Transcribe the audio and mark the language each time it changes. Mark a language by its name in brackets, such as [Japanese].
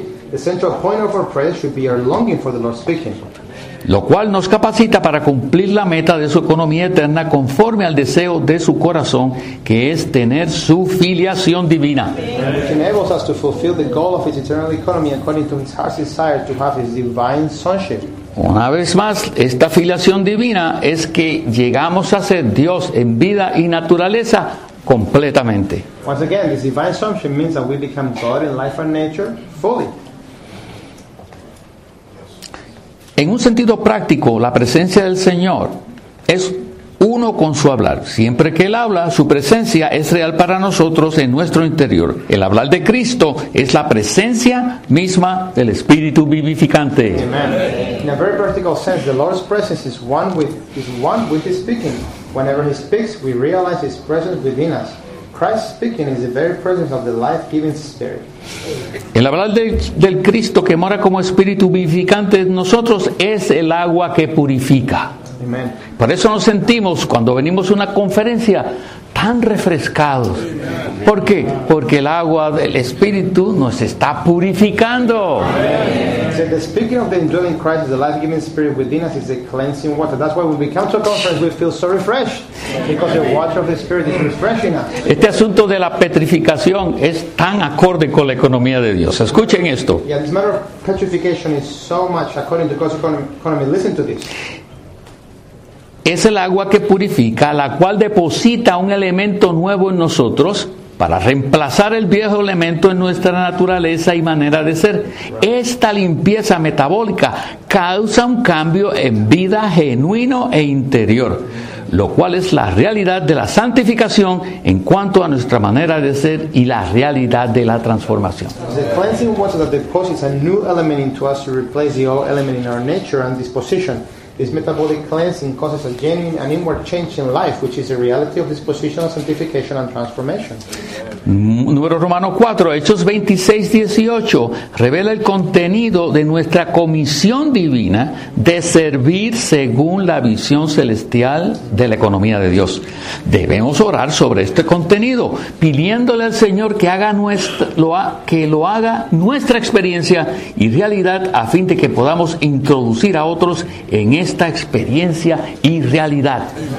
[English] The central point of our prayer should be our longing for the Lord speaking. [Spanish] Lo cual nos capacita para cumplir la meta de su economía eterna conforme al deseo de su corazón, que es tener su filiación divina. [English] Which enables us to fulfill the goal of his eternal economy according to his heart's desire to have his divine sonship. [Spanish] Una vez más, esta filiación divina es que llegamos a ser Dios en vida y naturaleza completamente. [English] Once again, this divine sonship means that we become God in life and nature fully. [Spanish] En un sentido práctico, la presencia del Señor es uno con su hablar. Siempre que Él habla, su presencia es real para nosotros en nuestro interior. El hablar de Cristo es la presencia misma del Espíritu vivificante. Amen. [English] In a very practical sense, the Lord's presence is one with His speaking. Whenever He speaks, we realize His presence within us. Christ speaking is the very presence of the life-giving Spirit. [Spanish] El hablar del Cristo que mora como Espíritu vivificante en nosotros es el agua que purifica. Amen. Por eso nos sentimos cuando venimos a una conferencia tan refrescados. ¿Por qué? Porque el agua del Espíritu nos está purificando. Amen. [English] So the speaking of the indwelling Christ, the life-giving Spirit within us, is the cleansing water. That's why when we come to a conference, we feel so refreshed, because the water of the Spirit is refreshing us. [Spanish] Este asunto de la petrificación es tan acorde con la economía de Dios. Escuchen esto. [English] Yeah, this matter of petrification is so much according to God's economy. Listen to this. [Spanish] Es el agua que purifica, la cual deposita un elemento nuevo en nosotros para reemplazar el viejo elemento en nuestra naturaleza y manera de ser. Esta limpieza metabólica causa un cambio en vida genuino e interior, lo cual es la realidad de la santificación en cuanto a nuestra manera de ser y la realidad de la transformación. [English] The cleansing water that deposits a new element into us to replace the old element in our nature and disposition. This metabolic cleansing causes a genuine and inward change in life, which is a reality of dispositional sanctification and transformation. [Spanish] Número Romano 4, Hechos 26, 18, revela el contenido de nuestra comisión divina de servir según la visión celestial de la economía de Dios. Debemos orar sobre este contenido, pidiéndole al Señor que haga nuestra experiencia y realidad, a fin de que podamos introducir a otros en esta experiencia y realidad.